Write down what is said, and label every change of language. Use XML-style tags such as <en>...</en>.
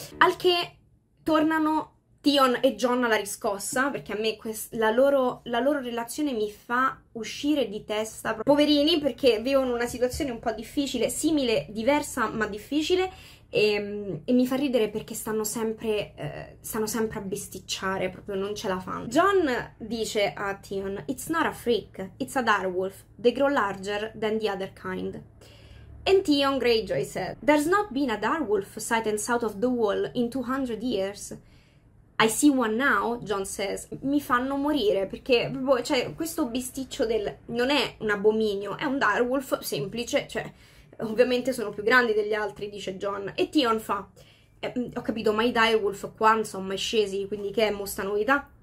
<it>Al che tornano Theon e Jon alla riscossa, perché a me la loro relazione mi fa uscire di testa, poverini, perché vivono una situazione un po' difficile, simile, diversa, ma difficile. E mi fa ridere perché stanno sempre a bisticciare, proprio non ce la fanno. John dice a Theon:</it> <en>It's not a freak, it's a direwolf. They grow larger than the other kind. And Theon Greyjoy said: There's not been a direwolf sight and sound of the wall in 200 years. I see one now, John says.</en> <it>Mi fanno morire perché proprio, cioè, questo bisticcio non è un abominio, è un direwolf semplice, cioè. Ovviamente sono più grandi degli altri, dice John. E Theon fa: ho capito, ma i direwolf qua non sono mai scesi, quindi che è mo sta novità?</it>